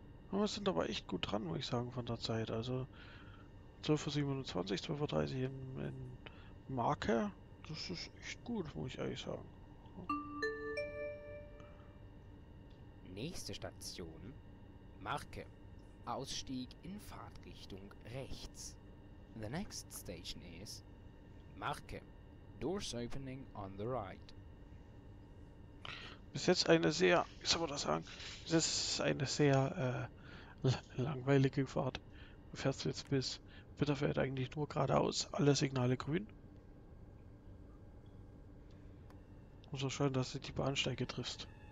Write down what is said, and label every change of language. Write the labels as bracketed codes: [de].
[de] Aber wir sind aber echt gut dran, muss ich sagen, von der Zeit. Also 12:27, 12:30 in Marke. Das ist echt gut, muss ich ehrlich sagen. Nächste Station, Marke. Ausstieg in Fahrtrichtung rechts. [en] The next station is Marke. Doors opening on the right. [de] Bis jetzt eine sehr, wie soll man das sagen, bis jetzt eine sehr langweilige Fahrt. Du fährst jetzt bis Bitterfeld eigentlich nur geradeaus, alle Signale grün. Und so schön, dass du die Bahnsteige triffst.